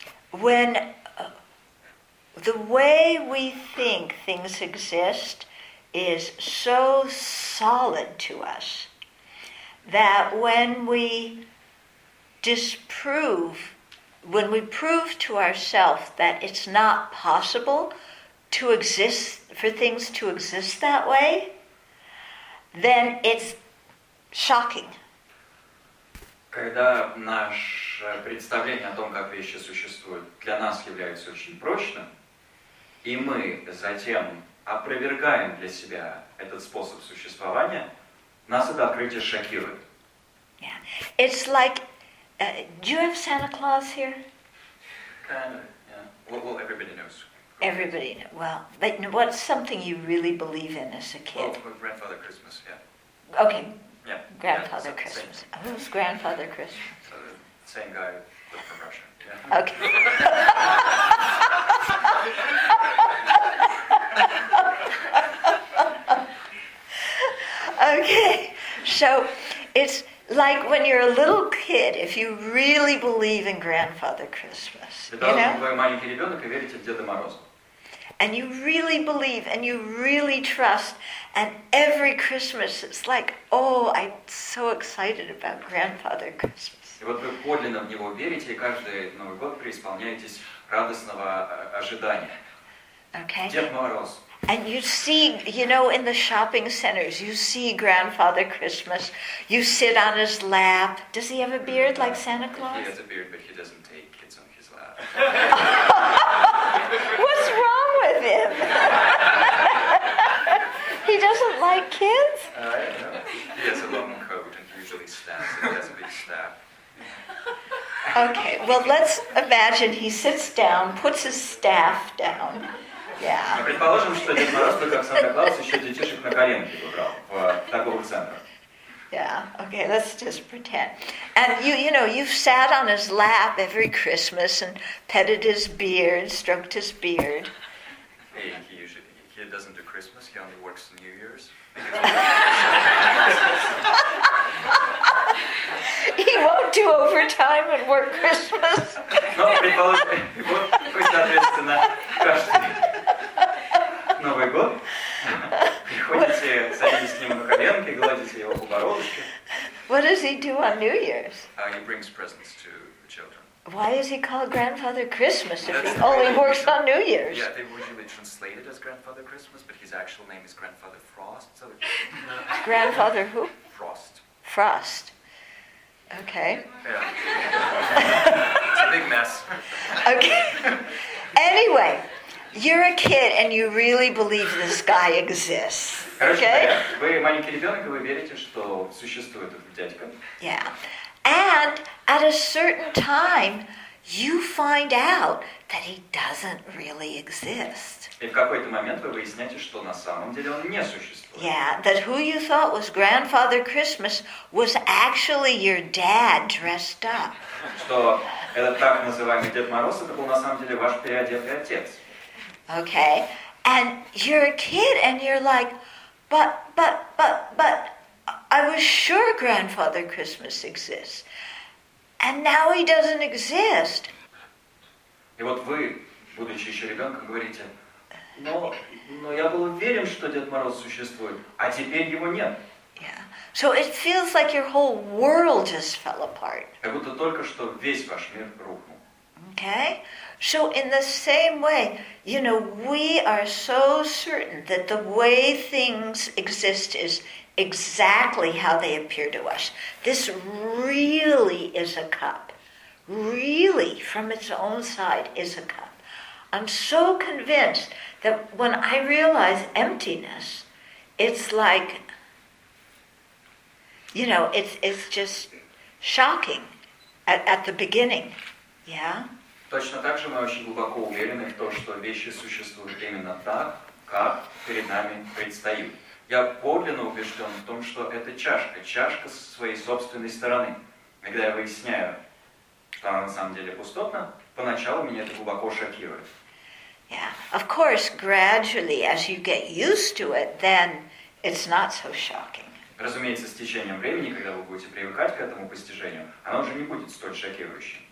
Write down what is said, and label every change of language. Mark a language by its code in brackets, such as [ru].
[en] when the way we think things exist is so solid to us that when we disprove, when we prove to ourselves that it's not possible to exist, for things to exist that way, then it's shocking. [ru] Когда наше представление о том, как вещи существуют, для нас является очень прочным, и мы затем опровергаем для себя этот способ существования, нас это открытие шокирует. [en] Yeah. It's like, do you have Santa Claus here? Kind of, yeah. Well, everybody knows. Everybody knows. Well, but what's something you really believe in as a kid? Well, Grandfather Christmas, yeah. Okay. Yeah. Grandfather Christmas. Same. Who's Grandfather Christmas? So the same guy from Russia. Yeah. Okay. Okay. So it's like when you're a little kid, if you really believe in Grandfather Christmas, you know? and you really believe and you really trust, and every Christmas it's like, oh, I'm so excited about Grandfather Christmas. [ru] И вот вы подлинно в него верите, и каждый Новый год преисполняетесь радостного ожидания. [en] Okay. [ru] Дед Мороз. [en] And you see, you know, in the shopping centers, you see Grandfather Christmas. You sit on his lap. Does he have a beard like Santa Claus? He has a beard, but he doesn't take kids on his lap. What's wrong with him? He doesn't like kids? I don't know. He has a long coat and usually stands. He has a big staff. Okay, well, let's imagine he sits down, puts his staff down. Yeah. [ru] Предположим, что Дед Мороз, как Санта-Клаус, еще детишек на коленке выбрал в торговых центрах. [en] Yeah. Okay. Let's just pretend. And you know, you've sat on his lap every Christmas and petted his beard, stroked his beard. He doesn't do Christmas. He only works New Year's. He won't do overtime and work Christmas. [ru] No, предположим, вот вы соответственно каждый Новый год приходите, садитесь с ним на коленки, гладите его по бородочке. [en] What does he do on New Year's? He brings presents to the children. Why is he called Grandfather Christmas if he only works on New Year's? Yeah, they usually translate it as Grandfather Christmas, but his actual name is Grandfather Frost. So Grandfather who? Frost. Frost. Okay. Yeah. It's a big mess. Okay. Anyway, you're a kid and you really believe this guy exists. Okay? [ru] Вы маленький ребёнок, вы верите, что существует этот дядька? [en] Yeah. And at a certain time, you find out that he doesn't really exist. [ru] И в какой-то момент вы выясняете, что на самом деле он не существует. [en] Yeah, that who you thought was Grandfather Christmas was actually your dad dressed up. [ru] Что этот так называемый Дед Мороз, это был на самом деле ваш переодетый отец. [en] Okay, and you're a kid and you're like, but, I was sure Grandfather Christmas exists. And now he doesn't exist. [ru] И вот вы, будучи еще ребенком, говорите, но я был уверен, что Дед Мороз существует, а теперь его нет. [en] Yeah. So it feels like your whole world just fell apart. [ru] Как будто только что весь ваш мир рухнул. [en] Okay. So in the same way, you know, we are so certain that the way things exist is exactly how they appear to us. This really is a cup. Really, from its own side, is a cup. I'm so convinced that when I realize emptiness, it's like, you know, it's just shocking at the beginning. Yeah? [ru] Точно так же мы очень глубоко уверены в том, что вещи существуют именно так, как перед нами предстают. Я подлинно убежден в том, что это чашка. Чашка с своей собственной стороны. Когда я выясняю, что она на самом деле пустотна, поначалу меня это глубоко шокирует. [en] Yeah. Of course, gradually, as you get used to it, then it's not so shocking. [ru] Разумеется, с течением времени, когда вы будете привыкать к этому постижению, оно уже не будет столь шокирующим.